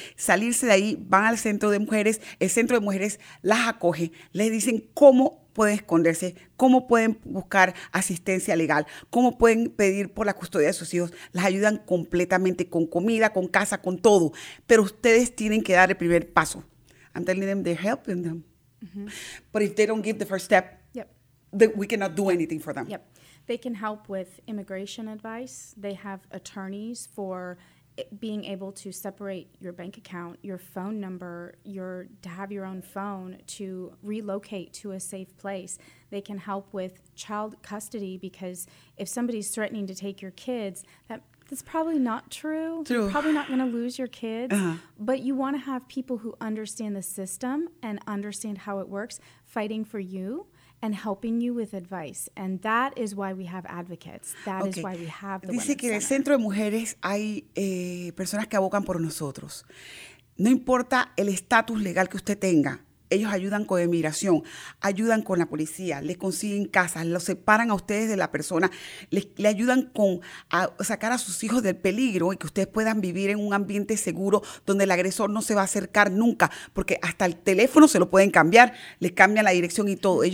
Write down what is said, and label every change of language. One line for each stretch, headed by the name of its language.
Spanish: Salirse de ahí, van al Centro de Mujeres. El Centro de Mujeres las acoge. Les dicen cómo pueden esconderse, cómo pueden buscar asistencia legal, cómo pueden pedir por la custodia de sus hijos. Las ayudan completamente con comida, con casa, con todo. Pero ustedes tienen que dar el primer paso.
English: I'm telling them they're helping them. But if they don't give the first step, we cannot do anything for them. Yep. They can help with immigration advice. They have attorneys for being able to separate your bank account, your phone number, to have your own phone to relocate to a safe place. They can help with child custody because if somebody's threatening to take your kids, that's probably not true. You're probably not going to lose your kids. But you want to have people who understand the system and understand how it works fighting for you and helping you with advice. And that is why we have advocates. That is why we have the
Spanish: Dice que
English: center.
Spanish: En el Centro de Mujeres hay personas que abogan por nosotros. No importa el estatus legal que usted tenga. Ellos ayudan con inmigración, ayudan con la policía, les consiguen casas, los separan a ustedes de la persona, le ayudan con a sacar a sus hijos del peligro y que ustedes puedan vivir en un ambiente seguro donde el agresor no se va a acercar nunca, porque hasta el teléfono se lo pueden cambiar, les cambian la dirección y todo.